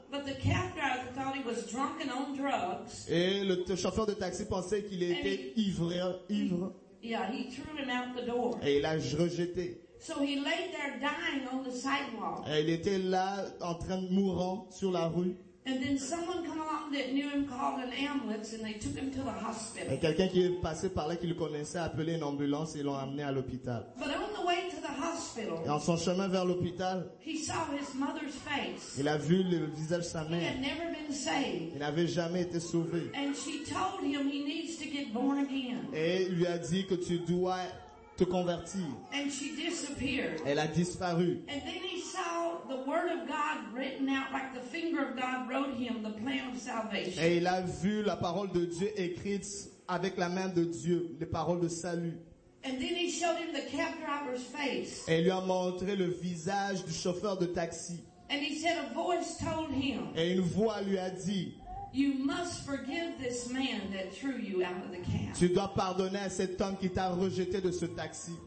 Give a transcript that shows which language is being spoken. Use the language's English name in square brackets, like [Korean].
[English] But the cab driver thought he was drunk and on drugs. [French] Et le chauffeur de taxi pensait qu'il était ivre. [English] Yeah, he threw him out the door. [French] Et il l'a rejeté. [English] So he lay there dying on the sidewalk. [French] Et il était là en train de mourant sur la rue. [English] And then someone came along that knew him called an ambulance and they took him to the hospital. [French] Et quelqu'un qui est passé par là qui le connaissait a appelé une ambulance et l'ont amené à l'hôpital. [English] But on the way to the hospital, [French] et en son chemin vers l'hôpital, [English] he saw his mother's face. [French] Il a vu le visage de sa mère. [English] He had never been saved. [French] Il n'avait jamais été sauvé. [English] And she told him he needs to get born again. [French] Et lui a dit que tu dois te convertir. [English] And she disappeared. [French] Elle a disparu. [English] And then he saw the word of God written out like the finger of God wrote him the plan of salvation. [French] Et il a vu la parole de Dieu écrite avec la main de Dieu, les paroles de salut. [English] And then he showed him the cab driver's face. [French] Et lui a montré le visage du chauffeur de taxi. [English] And he said a voice told him. [French] Et une voix lui a dit, [English] you must forgive this man that threw you out of the cab. [French] Tu dois pardonner à cet homme qui t'a rejeté de ce taxi.